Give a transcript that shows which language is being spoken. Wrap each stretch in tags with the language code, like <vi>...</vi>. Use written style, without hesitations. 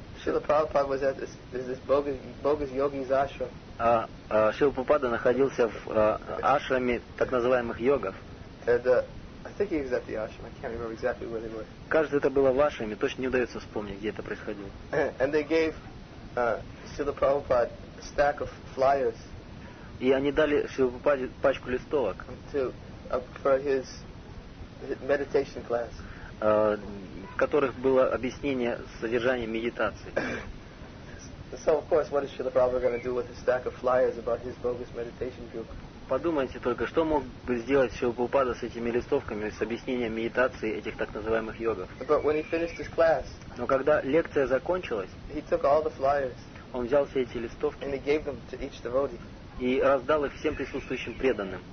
<en>Srila Prabhupada was at this bogus yogi's ashram.</en> <ru>Шрила Прабхупада находился в ашраме так называемых йогов. Кажется, это было в ашраме, точно не удается вспомнить, где это происходило.</ru> <en>And they gave Srila Prabhupada a stack of flyers.</en> <ru>И они дали Шрила Прабхупаде пачку листовок.</ru> <en>For his meditation class.</en> <ru>В которых было объяснение содержания медитации.</ru> <en>So of course, what is Srila Prabhupada going to do with a stack of flyers about his bogus meditation group?</en> <ru>Подумайте только, что мог бы сделать Шрила Прабхупада с этими листовками, с объяснением медитации этих так называемых йогов.</ru> <en>But when he finished his class,</en> <ru>но когда лекция закончилась,</ru> <en>he took all the flyers,</en> <ru>он взял все эти листовки,</ru> <en>and he gave them to each devotee.</en> <ru>И раздал их всем присутствующим преданным.</ru>